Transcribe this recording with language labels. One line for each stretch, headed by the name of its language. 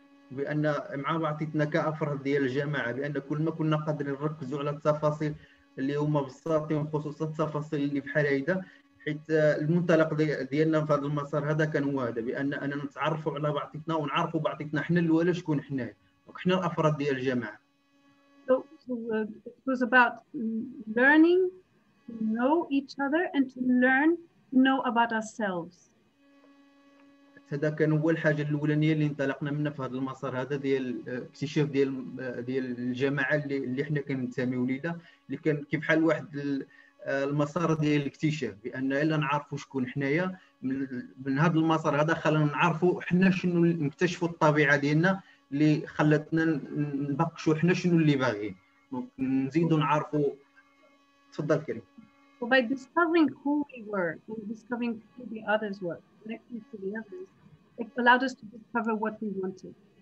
Arabic: بأن معاوة عطيتنا كأفراد ديال الجامعة بأن كل ما كنا قادرين نركزوا على التفاصيل اللي هما بالصات وخصوصا التفاصيل اللي في حال هيدا حيت المنطلق ديالنا في هذا المسار هذا كان هو هذا بأن أنا نتعرفوا على بعضنا ونعرفوا بعضنا إحنا الأول شكون إحنا وإحنا الأفراد ديال الجامعة.
English: So it was about learning to know each other and to learn to know about ourselves.
Arabic: هذا كان هو الحاجة الأولانية اللي انطلقنا منها في هذا المسار هذا ديال اكتشاف ديال الجماعة اللي احنا كننتمي وليدها اللي كان كيف حال واحد المسار ديال الاكتشاف بأن إلا نعرفوا شكون حنايا من هذا المسار هذا خلانا نعرفوا احنا شنو نكتشفوا الطبيعة ديالنا اللي خلتنا نبقشوا احنا شنو اللي باغي نزيدوا نعرفوا تفضل كريم.
English: By discovering who we were and discovering who the others were connecting to the others, it allowed us to discover what we wanted.